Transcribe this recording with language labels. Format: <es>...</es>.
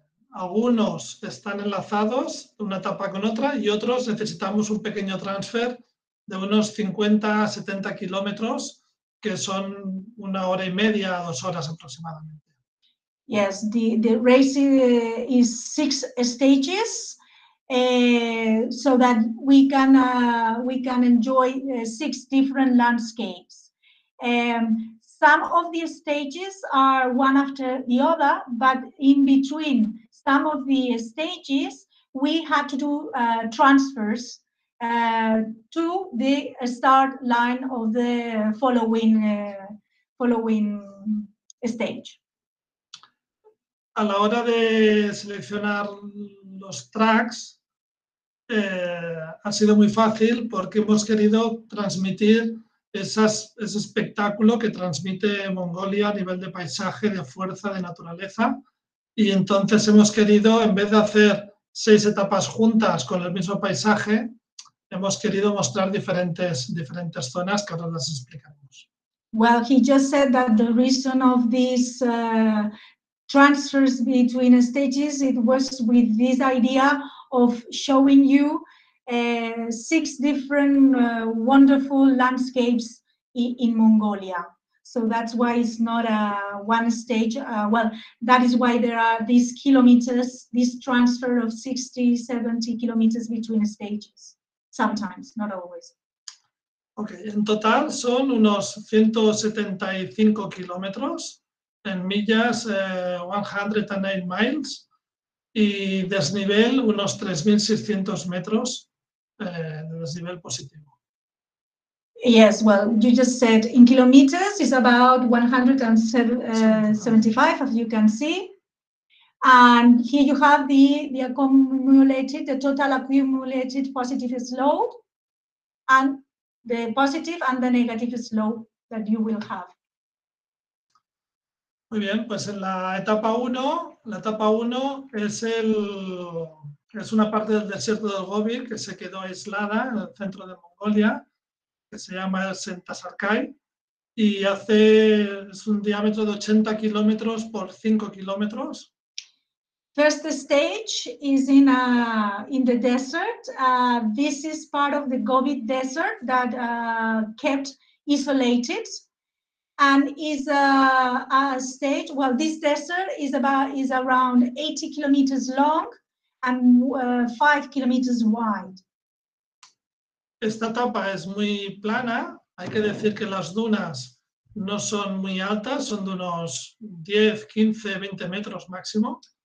<es>Algunos están enlazados una etapa con otra y otros necesitamos un pequeño transfer de unos 50 a 70 kilómetros, que son una hora y media, 2 horas aproximadamente.</es> <en>Yes, the race is 6 stages, so that we can enjoy 6 different landscapes. Some of the stages are one after the other, but in between some of the stages, we had to do transfers to the start line of the following stage.</en> <es>A la hora de seleccionar los tracks, ha sido muy fácil porque hemos querido transmitir ese espectáculo que transmite Mongolia a nivel de paisaje, de fuerza, de naturaleza. Y entonces hemos querido, en vez de hacer 6 etapas juntas con el mismo paisaje, hemos querido mostrar diferentes zonas que ahora las explicamos.</es> <en>Well, he just said that the reason of these transfers between stages, it was with this idea of showing you 6 different wonderful landscapes in Mongolia. So that's why it's not a one stage. That is why there are these kilometers, this transfer of 60, 70 kilometers between stages. Sometimes, not always.</en> <es>Okay, en total son unos 175 kilómetros, en millas, 109 miles, y desnivel unos 3,600 metros de desnivel positivo.</es> <en>Yes, well, you just said in kilometers is about 175, as you can see. And here you have the accumulated, the total accumulated positive slope, and the positive and the negative slope that you will have.</en> <es>Muy bien, pues en la etapa 1 es una parte del desierto del Gobi que se quedó aislada en el centro de Mongolia, que se llama el Sentasarkai, y es un diámetro de 80 kilómetros por 5 kilómetros.</es> <en>First stage is in the desert. This is part of the Gobi Desert that kept isolated, and is a stage. Well, this desert is around 80 kilometers long and 5 kilometers wide.</en> <es>Esta etapa es muy plana. Hay que decir que las dunas no son muy altas, son de unos 10, 15, 20 metros máximo.</es>